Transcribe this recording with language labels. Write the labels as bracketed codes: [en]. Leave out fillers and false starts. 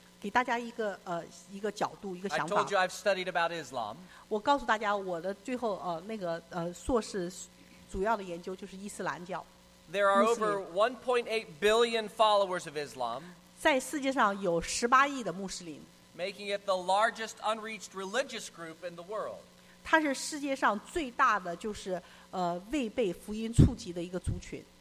[zh] 给大家一个, 一个角度, 一个想法。 [en] I told you I've studied about Islam. [zh] 我告诉大家我的最后, 那个, 硕士主要的研究就是伊斯兰教。 [en] There are over 1.8 billion followers of Islam, [zh] 在世界上有18亿的穆斯林, [en] making it the largest unreached religious group in the world. [zh] 它是世界上最大的就是, 未被福音触及的一个族群。